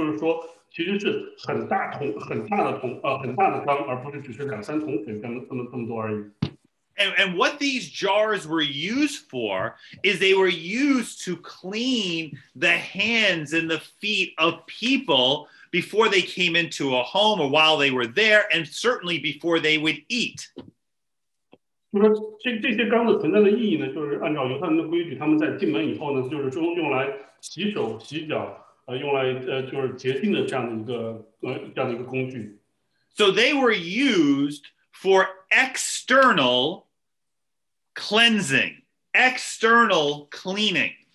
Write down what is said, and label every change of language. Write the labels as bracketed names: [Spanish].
[Chinese] 这些石缸呢，我们中文翻译说它可以每口可以盛两三桶水。英文中间讲解就是说，每个缸大概可以装20到30加仑的这样的水。这些就是也就是说，其实是很大桶、很大的缸，而不是只是两三桶水这么多而已。 [English] And what these jars were used for is they were used to clean the hands and the feet of people before they came into a home or while they were there, and certainly before they would eat. [Chinese] 就是这缸子存在的意义呢，就是按照犹太人的规矩，他们在进门以后呢，就是用来洗手、洗脚，用来就是洁净的这样的一个工具。 [English] So they were used for external cleansing, external cleaning.